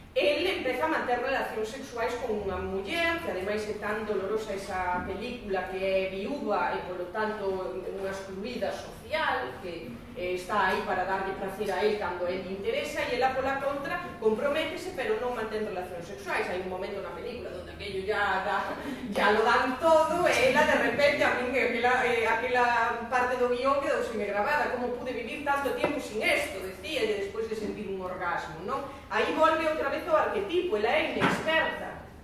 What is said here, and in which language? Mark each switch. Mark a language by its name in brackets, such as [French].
[Galician] Ele empeza a manter relacións sexuais con unha muller, que ademais é tan dolorosa esa película, que é viúva e, polo tanto, unha excluída social, que está aí para darle prazer a él cando a él interesa, e ela, pola contra, comprométese, pero non mantén relacións sexuais. Hai un momento na película [Spanish] donde aquello ya lo dan todo, [Galician] e ela, de repente, a min, aquela parte do guión quedou sin grabada. [Spanish] Como pude vivir tanto tiempo sin esto, decía, [Galician] e despois de sentir un orgasmo, non? Aí volve outra vez o arquetipo, ela é inexperta.